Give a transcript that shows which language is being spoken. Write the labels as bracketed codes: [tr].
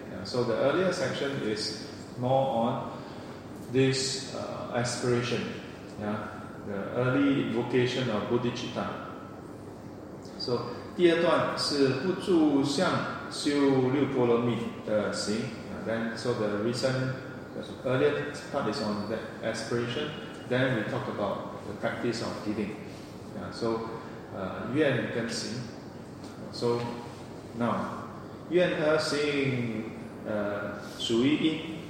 [en] So the earlier section is more on this aspiration, the early invocation of bodhicitta. [zh] So, 第二段是不住相修六波罗蜜的行. [en] So the earlier part is on the aspiration. Then we talk about the practice of giving. [zh] So, 愿跟行.So, now, 愿和行 属于一.